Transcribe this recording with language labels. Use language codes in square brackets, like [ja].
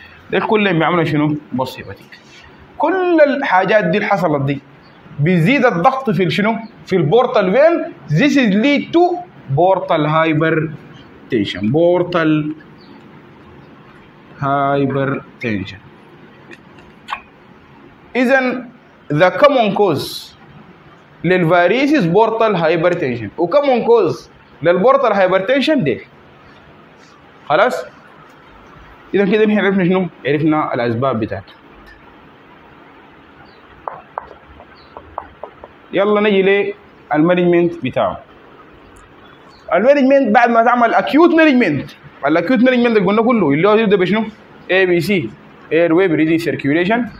[ar] ده كله بيعملوا شنو؟ بصيبتي كل الحاجات دي حصلت دي بيزيد الضغط في شنو؟ في البورتال فين. [en] This is lead to portal hypertension. Portal hypertension. إذا the common cause للفاريس is portal hypertension. [ar] و common cause للبورتال hypertension ده خلاص. إذا كده نحن عرفنا شنو؟ عرفنا الأسباب بتاعته. يلا نجي للمانجمنت بتاعه. المانجمنت بعد ما تعمل أكيوت مانجمنت، الأكيوت مانجمنت قلنا كله اللي هو يبدأ بشنو؟ ABC Airway Breathing Circulation.